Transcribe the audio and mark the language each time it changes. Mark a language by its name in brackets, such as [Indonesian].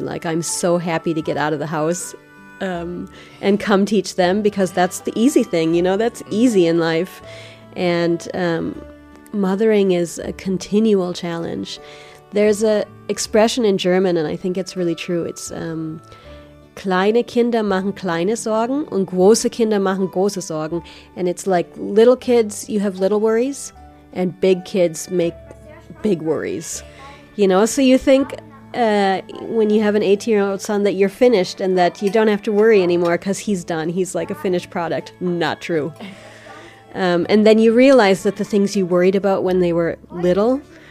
[English] Like, I'm so happy to get out of the house and come teach them, because that's the easy thing, you know, that's easy in life. And mothering is a continual challenge. There's a expression in German, and I think it's really true. It's [German] kleine Kinder machen kleine Sorgen und große Kinder machen große Sorgen. [English] And it's like, little kids, you have little worries, and big kids make big worries, you know? So you think when you have an 18-year-old son that you're finished and that you don't have to worry anymore because he's done. He's like a finished product. Not true. And then you realize that the things you worried about when they were little